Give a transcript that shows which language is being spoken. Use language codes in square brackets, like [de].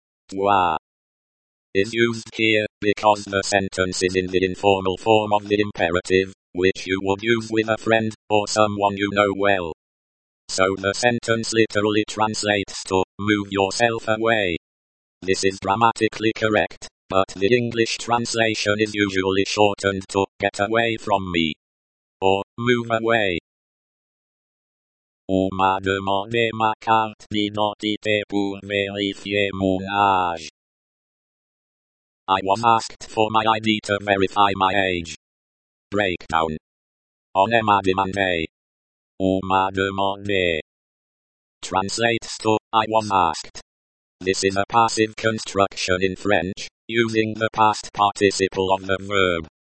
[en] Toi is used here because the sentence is in the informal form of the imperative, which you would use with a friend or someone you know well. So the sentence literally translates to, move yourself away. This is grammatically correct, but the English translation is usually shortened to, get away from me. Or, move away. [fr] On m'a demandé ma carte d'identité pour vérifier mon âge. [en] I was asked for my ID to verify my age. Breakdown. [fr] On m'a demandé. On m'a demandé. [en] Translates to, I was asked. This is a passive construction in French, using the past participle of the verb.